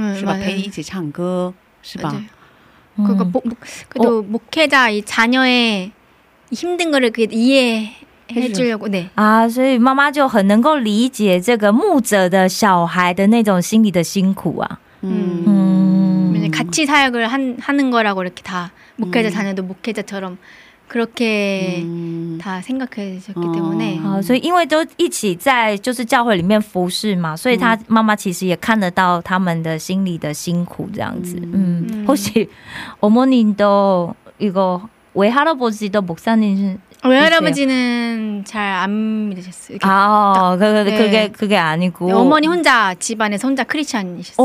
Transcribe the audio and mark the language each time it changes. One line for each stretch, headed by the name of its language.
Chinese: 아你本来不知道就是这样的吗没有这种说话没有这种是吧他没有这样的态度他在你旁边跟你同样的心态来安慰你跟你一起陪你一起哭是吧陪你一起唱歌是吧
Korean: 그거 그래도 목회자 이 자녀의 힘든 거를 그 이해 해주려고네
Chinese: 啊所以妈妈就很能够理解这个牧者的小孩的那种心理的辛苦啊嗯
Korean: 같이 사역을 하는 거라고 이렇게 다 목회자 자녀도 목회자처럼 그렇게 다 생각해 주셨기 때문에
Chinese: 所以因为都一起在就是教会里面服侍嘛，所以他妈妈其实也看得到他们的心里的辛苦这样子。
Korean: 혹시 어머님도 이거 외할아버지도 목사님은 외할아버지는 잘 안 믿으셨어요. 아, 그게 아니고 어머니 혼자 집안에 혼자 크리스천이셨어요.